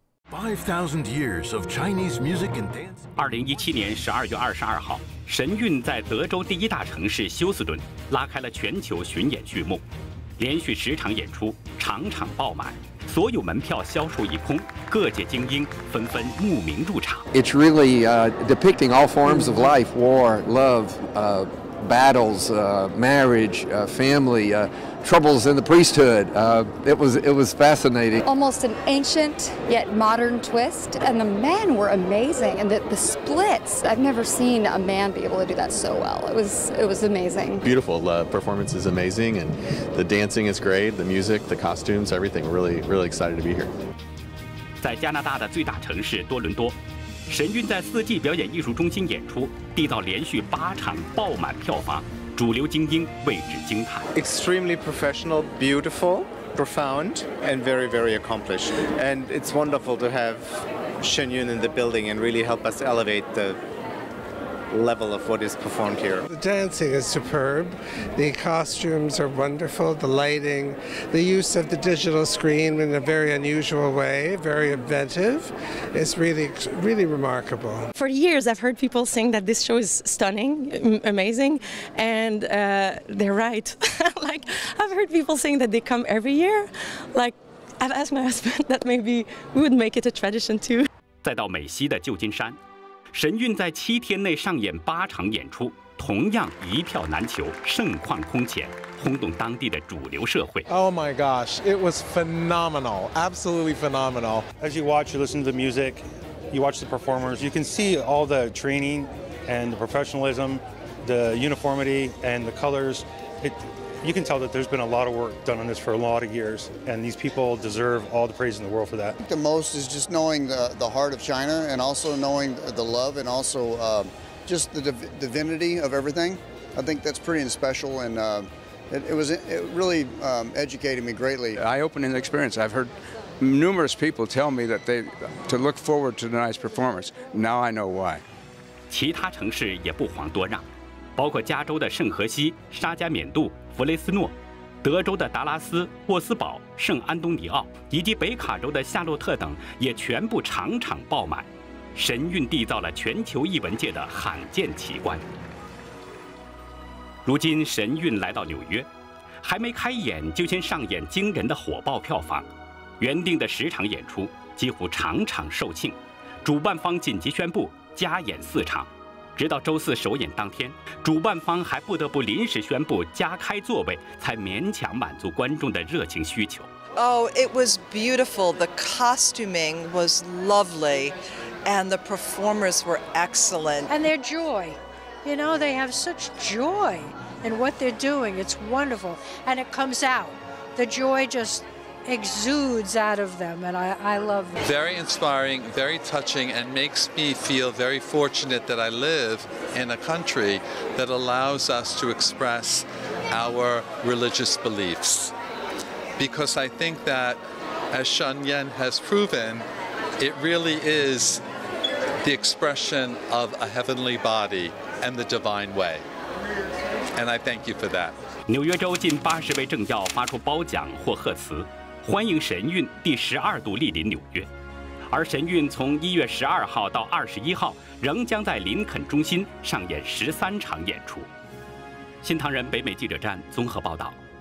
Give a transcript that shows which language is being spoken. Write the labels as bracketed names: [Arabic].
[English] 5,000 years of Chinese music and dance. [Chinese] 2017年12月22号，神韵在德州第一大城市休斯顿拉开了全球巡演序幕，连续10场演出，场场爆满，所有门票销售一空，各界精英纷纷慕名入场。 [English] It's really depicting all forms of life: war, love, battles, marriage, family, troubles in the priesthood. It was fascinating. Almost an ancient yet modern twist, and the men were amazing. And the splits, I've never seen a man be able to do that so well. It was amazing. Beautiful. The performance is amazing, and the dancing is great. The music, the costumes, everything. Really, really excited to be here. [Chinese] 在加拿大的最大城市多伦多。神韵在四季表演艺术中心演出，缔造连续8场爆满票房，主流精英为之惊叹。 [English] Extremely professional, beautiful, profound, and very, very accomplished. And it's wonderful to have Shen Yun in the building and really help us elevate the level of what is performed here. The dancing is superb. The costumes are wonderful. The lighting, the use of the digital screen in a very unusual way, very inventive, is really, really remarkable. For years, I've heard people saying that this show is stunning, amazing, and they're right. Like, I've heard people saying that they come every year. Like, I've asked my husband that maybe we would make it a tradition too. [Chinese] 再到美西的旧金山。神韵在7天内上演8场演出，同样一票难求，盛况空前，轰动当地的主流社会。 [English] Oh my gosh, it was phenomenal, absolutely phenomenal. As you watch, you listen to the music, you watch the performers, you can see all the training and the professionalism, the uniformity and the colors. You can tell that there's been a lot of work done on this for a lot of years, and these people deserve all the praise in the world for that. I think the most is just knowing the heart of China, and also knowing the love, and also just the divinity of everything. I think that's pretty special, and it really educated me greatly. Eye-opening experience. I've heard numerous people tell me that to look forward to tonight's performance. Now I know why. [Chinese] 其他城市也不遑多让，包括加州的圣荷西、沙加缅度、弗雷斯诺，德州的达拉斯、沃斯堡、圣安东尼奥，以及北卡州的夏洛特等，也全部场场爆满。神韵缔造了全球艺文界的罕见奇观。如今神韵来到纽约，还没开演就先上演惊人的火爆票房，原定的十场演出几乎场场售罄，主办方紧急宣布加演四场，直到周四首演当天，主办方还不得不临时宣布加开座位，才勉强满足观众的热情需求。 [English] Oh, it was beautiful. The costuming was lovely, and the performers were excellent. And their joy, you know, they have such joy in what they're doing. It's wonderful, and it comes out. The joy just exudes out of them, and I love them. Very inspiring, very touching, and makes me feel very fortunate that I live in a country that allows us to express our religious beliefs. Because I think that, as Shen Yan has proven, it really is the expression of a heavenly body and the divine way. And I thank you for that. [Chinese] 纽约州近80位政要发出褒奖或贺词，欢迎神韵第十二度莅临纽约，而神韵从1月12号到21号仍将在林肯中心上演13场演出。新唐人北美记者站综合报道。